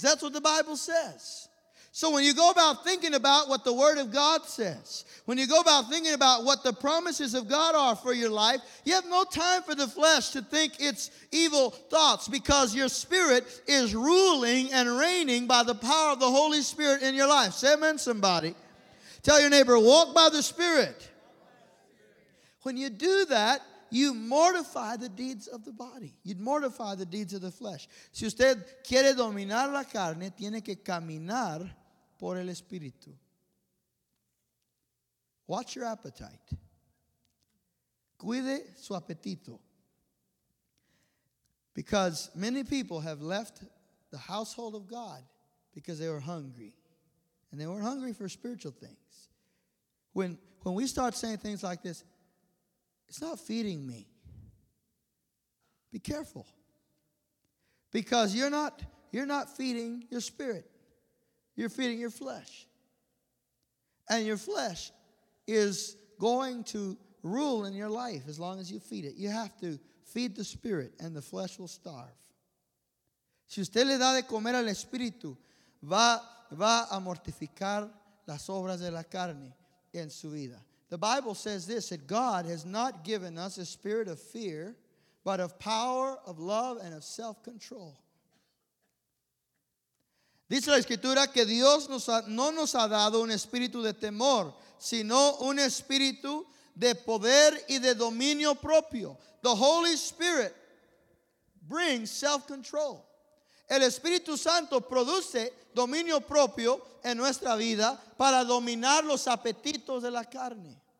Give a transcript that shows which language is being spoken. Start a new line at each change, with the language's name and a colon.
English: That's what the Bible says. So when you go about thinking about what the Word of God says, when you go about thinking about what the promises of God are for your life, you have no time for the flesh to think its evil thoughts, because your spirit is ruling and reigning by the power of the Holy Spirit in your life. Say amen, somebody. Tell your neighbor, walk by the Spirit. When you do that, you mortify the deeds of the body. You'd mortify the deeds of the flesh.
Spanish: Si usted quiere dominar la carne, tiene que caminar por el Espíritu.
English: Watch your appetite.
Spanish: Cuide su apetito.
English: Because many people have left the household of God because they were hungry. And they weren't hungry for spiritual things. When we start saying things like this, it's not feeding me. Be careful. Because you're not feeding your spirit. You're feeding your flesh. And your flesh is going to rule in your life as long as you feed it. You have to feed the spirit and the flesh will starve.
Spanish: Si usted le da de comer al espíritu, va a mortificar las obras de la carne en su vida.
English: The Bible says this, that God has not given us a spirit of fear, but of power, of love, and of self-control.
Spanish: Dice la Escritura que Dios no nos ha dado un espíritu de temor, sino un espíritu de poder y de dominio propio.
English: The Holy Spirit brings self-control.
Spanish: El Espíritu Santo produce dominio propio en nuestra vida para dominar los apetitos de la carne.